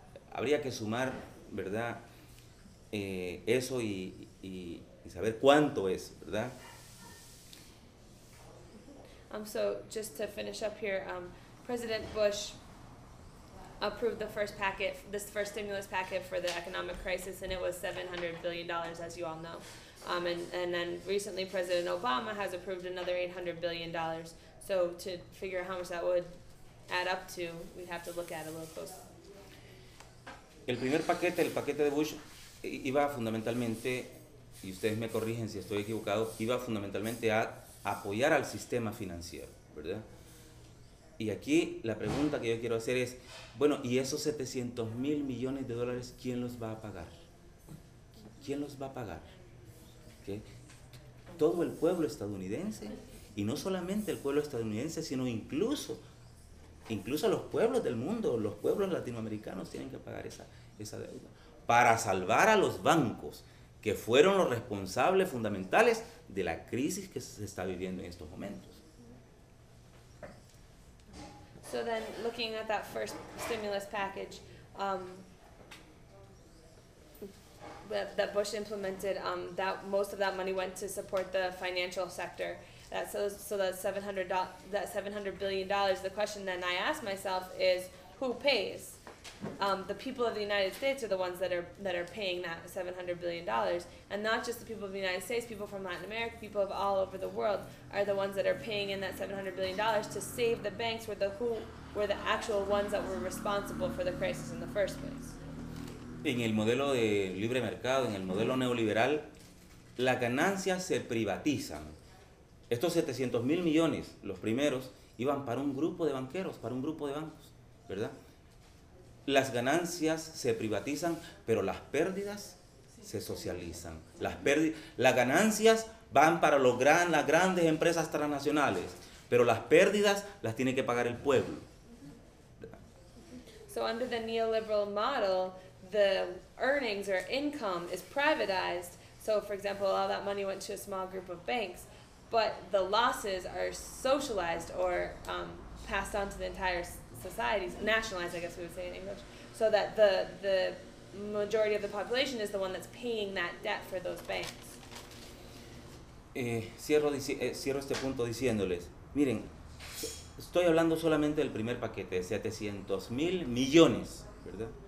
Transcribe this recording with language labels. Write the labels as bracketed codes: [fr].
[es] Habría que sumar, ¿verdad?, eso y saber cuánto es, ¿verdad? [en] So just to finish up here, President Bush approved the first packet, this first stimulus packet for the economic crisis, and it was $700 billion, as you all know. And then recently President Obama has approved another $800 billion. So to figure out how much that would add up to, we'd have to look at it a little closer. [es] El primer paquete, el paquete de Bush, iba fundamentalmente, y ustedes me corrigen si estoy equivocado, iba fundamentalmente a apoyar al sistema financiero, ¿verdad? Y aquí la pregunta que yo quiero hacer es, bueno, ¿y esos 700 mil millones de dólares quién los va a pagar? ¿Quién los va a pagar? ¿Qué? Todo el pueblo estadounidense, y no solamente el pueblo estadounidense, sino incluso los pueblos del mundo, los pueblos latinoamericanos tienen que pagar esa deuda para salvar a los bancos, que fueron los responsables fundamentales de la crisis que se está viviendo en estos momentos. [en] So then, looking at that first stimulus package that Bush implemented, that most of that money went to support the financial sector. That $700 billion, the question then I ask myself is, who pays? The people of the United States are the ones that are paying that $700 billion. And not just the people of the United States, people from Latin America, people of all over the world are the ones that are paying in that $700 billion to save the banks were the actual ones that were responsible for the crisis in the first place. [es] En el modelo de libre mercado, en el modelo neoliberal, las ganancias se privatizan. Estos 700 mil millones, los primeros, iban para un grupo de banqueros, para un grupo de bancos, ¿verdad? Las ganancias se privatizan, pero las pérdidas se socializan. Las ganancias van para las grandes empresas transnacionales, pero las pérdidas las tiene que pagar el pueblo. [en] So under the neoliberal model, the earnings or income is privatized. So for example, all that money went to a small group of banks, but the losses are socialized or passed on to the entire societies, nationalized, I guess we would say in English, so that the majority of the population is the one that's paying that debt for those banks. [es] Cierro este punto diciéndoles, miren, estoy hablando solamente del primer paquete, de 700 mil millones, ¿verdad?